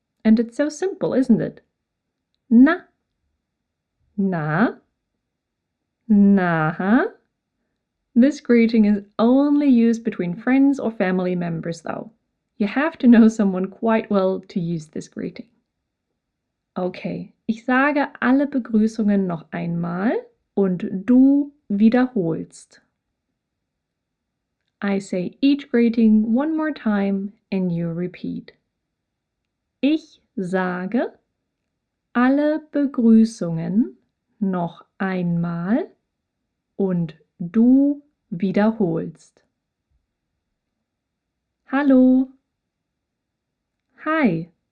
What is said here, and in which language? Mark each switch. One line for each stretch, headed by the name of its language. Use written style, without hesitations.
English: And it's so simple, isn't it?
German: Na. Na. Na.
English: This greeting is only used between friends or family members, though. You have to know someone quite well to use this greeting.
German: Okay, ich sage alle Begrüßungen noch einmal und du wiederholst.
English: I say each greeting one more time and you repeat.
German: Ich sage alle Begrüßungen noch einmal und du wiederholst. Hallo. Hi.